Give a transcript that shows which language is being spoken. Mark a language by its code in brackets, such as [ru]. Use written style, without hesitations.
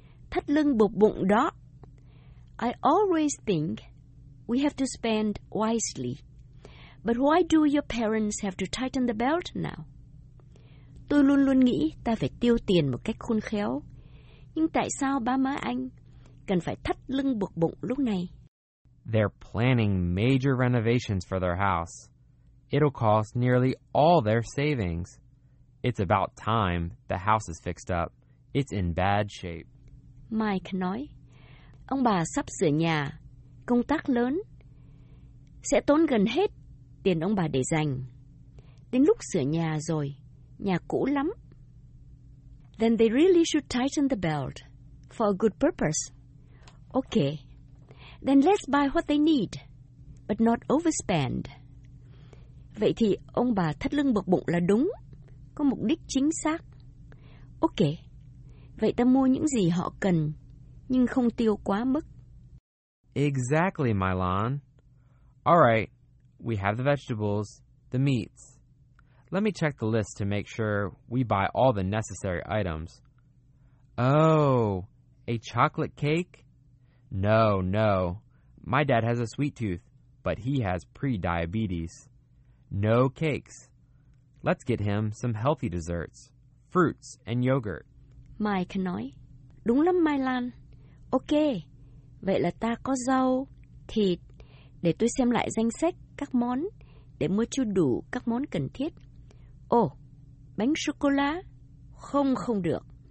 [vi] Thắt lưng buộc bụng đó. [en] I always think we have to spend wisely. But why do your parents have to tighten the belt now? [vi] Tôi luôn luôn nghĩ ta phải tiêu tiền một cách khôn khéo. Nhưng tại sao ba má anh cần phải thắt lưng buộc bụng lúc này? [en] They're planning major renovations for their house. It'll cost nearly all their savings. It's about time the house is fixed up. It's in bad shape. [vi] Mike nói, ông bà sắp sửa nhà, công tác lớn, sẽ tốn gần hết tiền ông bà để dành. Đến lúc sửa nhà rồi, nhà cũ lắm. [en] Then they really should tighten the belt for a good purpose. Okay, then let's buy what they need, but not overspend. [vi] Vậy thì ông bà thắt lưng buộc bụng là đúng, có mục đích chính xác. Okay. Vậy ta mua những gì họ cần, nhưng không tiêu quá mức. [en] Exactly, Mylon. All right, we have the vegetables, the meats. Let me check the list to make sure we buy all the necessary items. Oh, a chocolate cake? No, no. My dad has a sweet tooth, but he has pre-diabetes. No cakes. Let's get him some healthy desserts, fruits and yogurt. [vi] Mike nói, đúng lắm Mai Lan. Ok, vậy là ta có rau, thịt, để tôi xem lại danh sách các món, để mua chưa đủ các món cần thiết. Ồ, bánh sô-cô-la? Không, không được.